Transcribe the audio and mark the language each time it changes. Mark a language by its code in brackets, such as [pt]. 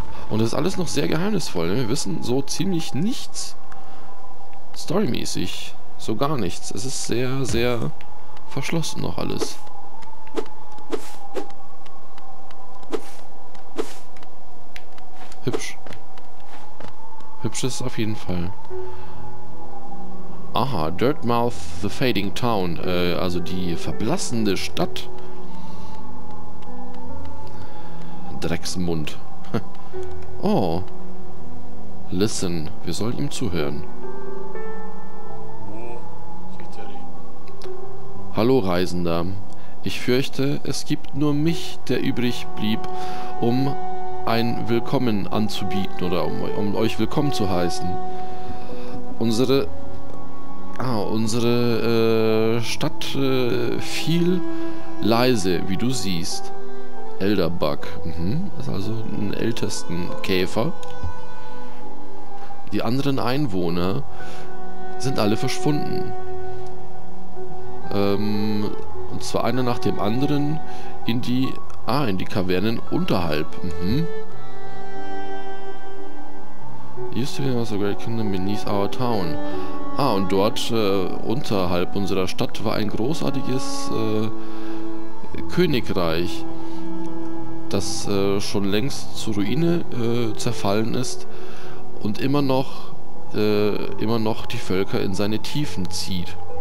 [de] Und das ist alles noch sehr geheimnisvoll. Ne? Wir wissen so ziemlich nichts. Storymäßig. So gar nichts. Es ist sehr, sehr verschlossen noch alles. Hübsch. Hübsch ist auf jeden Fall. [en] Aha, Dirtmouth, the fading town. [de] Also die verblassende Stadt. Drecksmund. Oh. Listen, wir sollen ihm zuhören. Hallo Reisender, ich fürchte, es gibt nur mich, der übrig blieb, um ein Willkommen anzubieten oder um euch willkommen zu heißen. Unsere Stadt fiel leise, wie du siehst. Elderbug, ist also ein ältesten Käfer. Die anderen Einwohner sind alle verschwunden. Und zwar einer nach dem anderen in die, in die Kavernen unterhalb. [en] Used to be a great kingdom beneath our town. [de] Und dort unterhalb unserer Stadt war ein großartiges Königreich, das schon längst zur Ruine zerfallen ist und immer noch die Völker in seine Tiefen zieht.